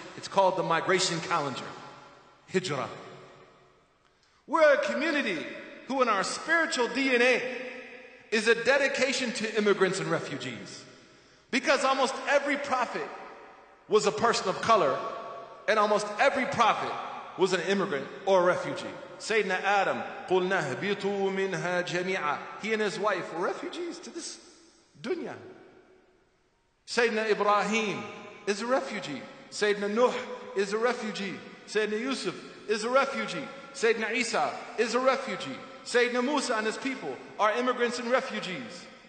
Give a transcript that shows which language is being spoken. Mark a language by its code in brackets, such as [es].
[en] It's called the migration calendar, Hijrah. We're a community who in our spiritual DNA is a dedication to immigrants and refugees. Because almost every prophet was a person of color And almost every prophet was an immigrant or a refugee. [ar] Sayyidina Adam, قُلْنَا هَبِطُوا مِنْهَا جَمِيعًا. [en] He and his wife were refugees to this dunya. Sayyidina Ibrahim is a refugee. Sayyidina Nuh is a refugee. Sayyidina Yusuf is a refugee. Sayyidina Isa is a refugee. Sayyidina Musa and his people are immigrants and refugees.